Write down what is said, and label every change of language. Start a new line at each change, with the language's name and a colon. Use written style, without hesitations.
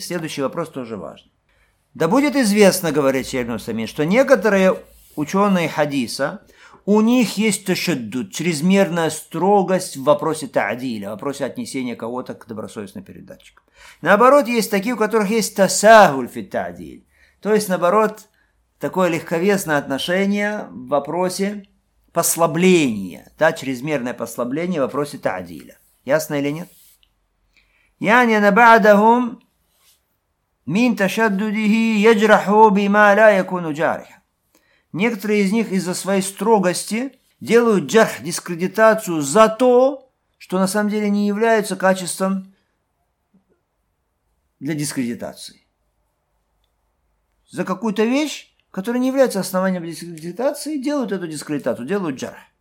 Russian: Следующий вопрос тоже важен. Да будет известно, говорит Шейх Мусаймин, что некоторые ученые хадиса, у них есть тащаддуд, чрезмерная строгость в вопросе таадиля, в вопросе отнесения кого-то к добросовестным передатчикам. Наоборот, есть такие, у которых есть тасахуль фи таадиль. То есть, наоборот, такое легковесное отношение в вопросе послабления, да, чрезмерное послабление в вопросе таадиля. Ясно или нет?
Arabic: يعني أنا بعدهم من تشدده يجرح بما لا يكون جارحا.
Russian: Некоторые из них из-за своей строгости делают джарх, дискредитацию за то, что на самом деле не является качеством для дискредитации. За какую-то вещь, которая не является основанием дискредитации, делают эту дискредитацию, делают джарх.